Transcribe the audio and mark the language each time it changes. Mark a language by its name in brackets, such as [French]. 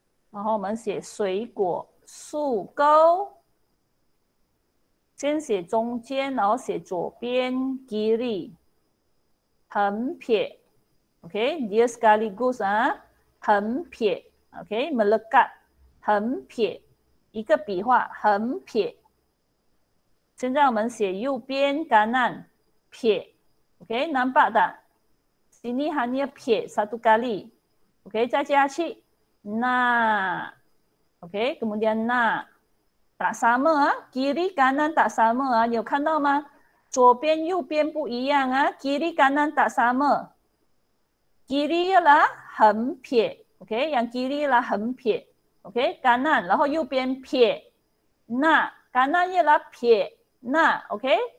[Chinese] 然后我们写水果竖钩，先写中间，然后写左边 kiri，横撇，OK， [Malay] dia sekaligus [Chinese] 啊，横撇，OK，melekat，横撇，一个笔画，横撇。现在我们写右边 kanan 撇，OK， [Malay] nampak tak? Sini hanya 撇 satu kali，OK，再加去 na，OK，kemudian na tak sama 啊，kiri kanan tak sama 啊， [Chinese] 你有看到吗？左边右边不一样啊， [Malay] kiri kanan tak sama， [Chinese] kiri 啦横撇，OK，yang kiri 啦横撇，OK kanan，然后右边撇 na，kanan 啦撇。那 OK，